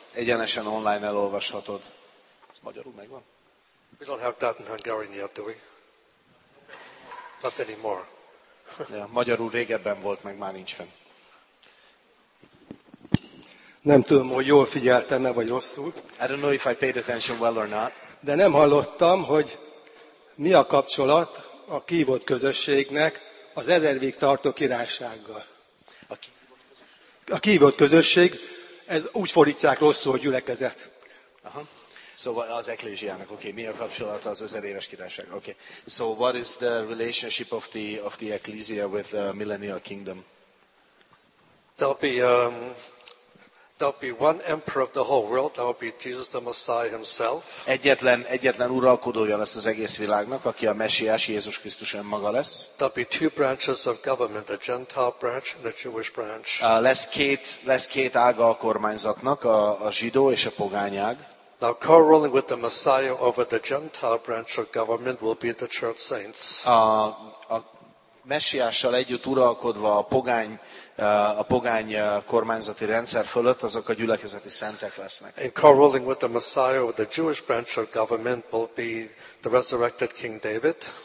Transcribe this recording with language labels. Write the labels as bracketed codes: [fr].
[hu] Egyenesen online elolvashatod. Ez magyarul megvan? [en] We don't have that in Hungarian yet, do we? Not anymore. [hu] De magyarul régebben volt, meg már nincs fenn. Nem tudom, hogy jól figyeltem-e, vagy rosszul. I don't know if I paid attention well or not. De nem hallottam, hogy mi a kapcsolat a kívott közösségnek az ezer évig tartó királysággal. A kívott közösség, ez úgy fordítják rosszul, hogy gyülekezet. Aha. Szóval az eklézsiának, oké, mi a kapcsolat az ezer éves királyság? Oké. [en] So what is the relationship of the ecclesia with the millennial kingdom? There'll be one emperor of the whole world, that will be Jesus the Messiah himself. [hu] Egyetlen uralkodója lesz az egész világnak, aki a Messiás, Jézus Krisztus önmaga lesz. [en] There'll be two branches of government, a Gentile branch and a Jewish branch. [hu] Lesz két ága a kormányzatnak, a zsidó és a pogány ág. [en] Now co-ruling with the Messiah over the Gentile branch of government will be the church saints. [hu] A Messiással együtt uralkodva a pogány kormányzati rendszer fölött azok a gyülekezeti szentek lesznek. [en] And co-ruling with the Messiah over the Jewish branch of government will be the resurrected King David.